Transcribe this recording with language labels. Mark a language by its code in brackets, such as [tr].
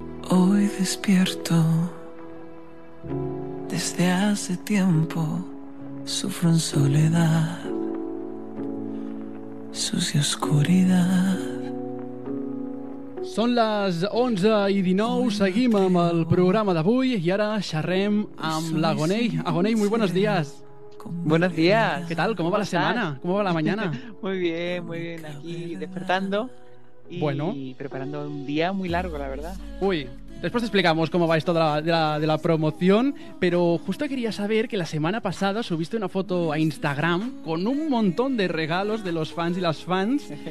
[es] Hoy despierto, desde hace tiempo sufro en soledad, sucia oscuridad. [ca] Són les 11 i 19, seguim amb el programa d'avui i ara xerrem amb l'Agonei. [es] Agonei, muy buenos días. Buenos días. ¿Qué tal? ¿Cómo va la semana? ¿Cómo va la mañana? muy bien, aquí despertando. Y bueno, preparando un día muy largo, la verdad. Uy, después te explicamos cómo va esto de la promoción, pero justo quería saber que la semana pasada subiste una foto a Instagram con un montón de regalos de los fans y las fans.